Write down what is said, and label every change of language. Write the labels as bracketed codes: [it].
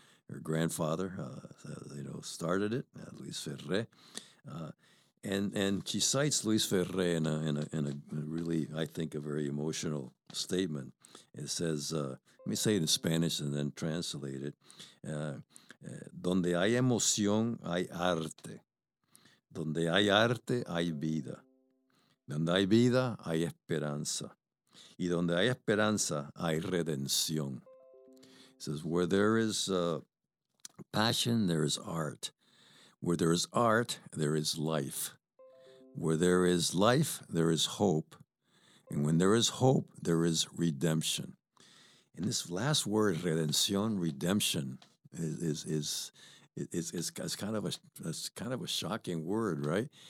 [en] Her grandfather, started it, Luis Ferré. And she cites Luis Ferré in a really, I think, a very emotional statement. It says, let me say it in Spanish and then translate it. [es] Donde hay emoción, hay arte. Donde hay arte, hay vida. Donde hay vida, hay esperanza. Y donde hay esperanza, hay redención. [en] It says, where there is passion, there is art. Where there is art, there is life. Where there is life, there is hope. And when there is hope, there is redemption. And this last word, redención, redemption, is kind of a shocking word, right?